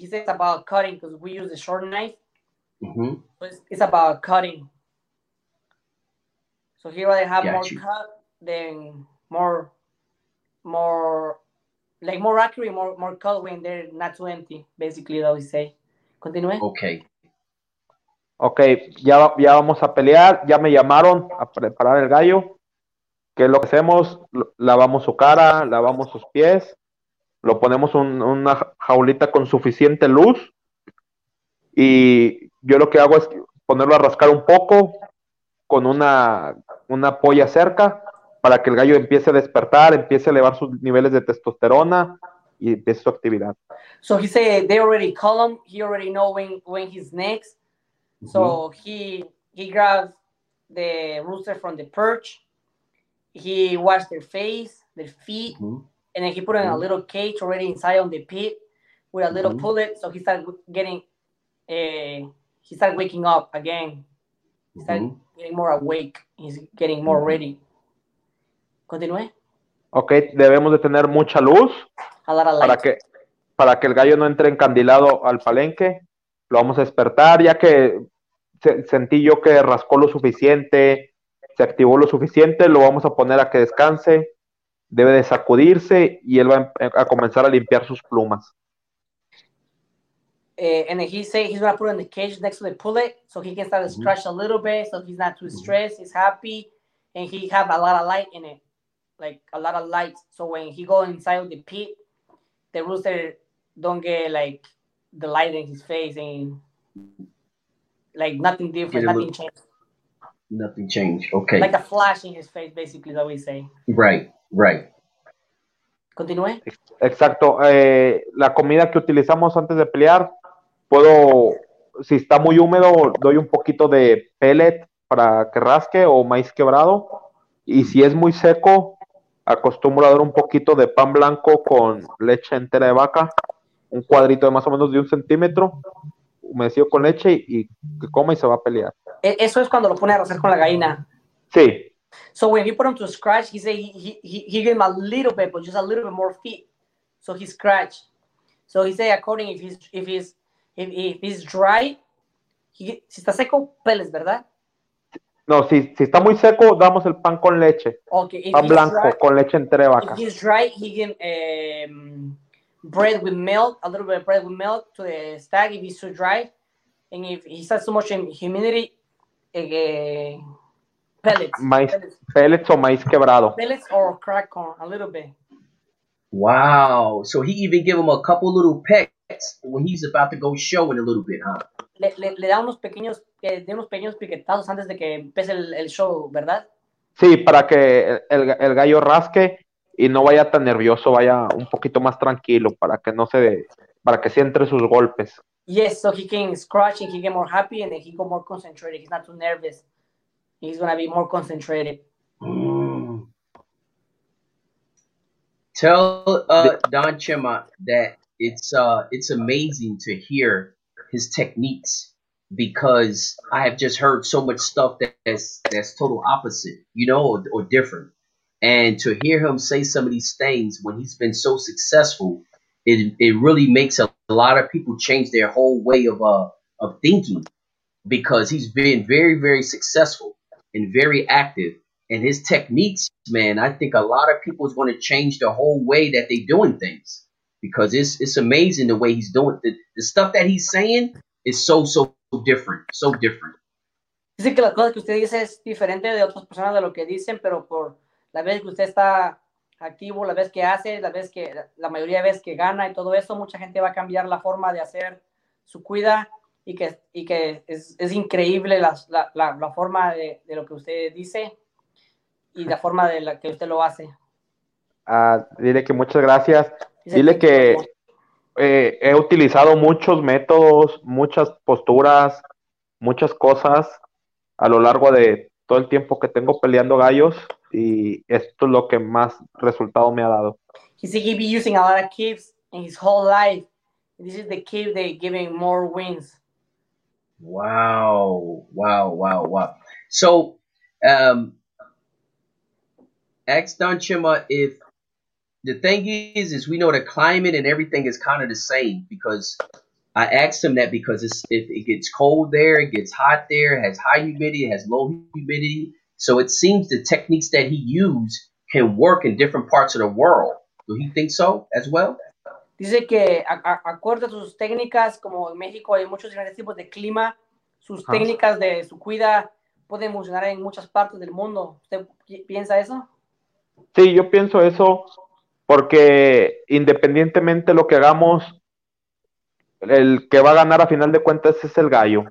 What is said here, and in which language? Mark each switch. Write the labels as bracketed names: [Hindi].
[English] he says about cutting because we use a short knife. Mm-hmm. So it's about cutting. So he rather have more cut than more like more accurate, more cut when they're not too empty. Basically, that we say. Continue. Okay. [Spanish] Okay, ya vamos a pelear, ya me llamaron a preparar el gallo. ¿Qué es lo que hacemos? Lavamos su cara, lavamos sus pies, lo ponemos en una jaulita con suficiente luz, y yo lo que hago es ponerlo a rascar un poco con una polla cerca para que el gallo empiece a despertar, empiece a elevar sus niveles de testosterona y empiece su actividad. [English] So he said they already call him, he already know when he's next. So he grabs the rooster from the perch. He washed their face, their feet, and then he put in a little cage already inside on the pit with a little pullet. So he started getting, he started waking up again. He started getting more awake. He's getting more ready. [Spanish] Continúe. Okay, debemos de tener mucha luz. [English] A lot of light. [Spanish] Para que el gallo no entre encandilado al palenque. Lo vamos a despertar ya que sentí yo que rascó lo suficiente, se activó lo suficiente, lo vamos a poner a que descanse, debe de sacudirse y él va a comenzar a limpiar sus plumas. [English] And he said he's going to put it in the cage next to the pullet so he can start to scratch a little bit so he's not too stressed, he's happy, and he have a lot of light in it, like a lot of light. So when he go inside of the pit, the rooster don't get like the light in his face and like nothing different, nothing changed. Nothing changed, okay. Like a flash in his face, basically, that we say. Right. [Spanish] Continúe. Exacto. La comida que utilizamos antes de pelear, puedo, si está muy húmedo, doy un poquito de pellet para que rasque o maíz quebrado. Y si es muy seco, acostumbro a dar un poquito de pan blanco con leche entera de vaca, un cuadrito de más o menos de 1 centímetro. Humedecido con leche y que coma y se va a pelear. Eso es cuando lo pone a rascar con la gallina. Sí. [English] So when he put him to scratch, he said he gave him a little bit, but just a little bit more feet. So he scratched. So he said according if he's dry, [Spanish] si está seco, peles, ¿verdad? No, si está muy seco, damos el pan con leche. [English] Okay. If [Spanish] pan [English] he's [Spanish] blanco, [English] dry, [Spanish] con leche entera de vaca. [English] If he's dry, he can bread with milk, a little bit of bread with milk to the stag if he's too dry. And if he has too much humidity, pellets. Pellets or [Spanish] maíz quebrado. [English] Pellets or cracked corn, a little bit. Wow. So he even give him a couple little pecks when he's about to go show in a little bit, huh? [Spanish] Le da unos pequeños piquetazos antes de que empiece el show, ¿verdad? Sí, para que el gallo rasque y no vaya tan nervioso, vaya un poquito más tranquilo para que no se dé, para que siente sus golpes. [English] Yes, so he can scratch and he get more happy and then he go more concentrated. He's not too nervous. He's gonna be more concentrated. Tell Don Chema that it's amazing to hear his techniques, because I have just heard so much stuff that's total opposite, you know, or different. And to hear him say some of these things when he's been so successful, it really makes a lot of people change their whole way of thinking, because he's been very, very successful and very active. And his techniques, man, I think a lot of people is going to change the whole way that they're doing things, because it's amazing the way he's doing the stuff that he's saying is so different. [Spanish] Dice que las cosas que usted dice es diferente de otras personas de lo que dicen, pero por la vez que usted está activo, la vez que hace, la vez que la mayoría de veces que gana y todo eso, mucha gente va a cambiar la forma de hacer su cuida y que es increíble la forma de lo que usted dice y la forma de la que usted lo hace. Dile que muchas gracias. Dile que he utilizado muchos métodos, muchas posturas, muchas cosas a lo largo de todo el tiempo que tengo peleando gallos, y esto es lo que más resultado me ha dado. [English] He said he'd be using a lot of keeps in his whole life. This is the keep that giving more wins. Wow. So, ask Don Chema if the thing is we know the climate and everything is kind of the same, because I asked him that because if it gets cold there, it gets hot there, it has high humidity, it has low humidity. So it seems the techniques that he used can work in different parts of the world. Do he think so as well? [Spanish] Dice que acuerda sus técnicas, como en México hay muchos diferentes tipos de clima, sus técnicas de su cuida pueden funcionar en muchas partes del mundo. ¿Usted piensa eso? Sí, yo pienso eso, porque independientemente de lo que hagamos, el que va a ganar a final de cuentas es el gallo.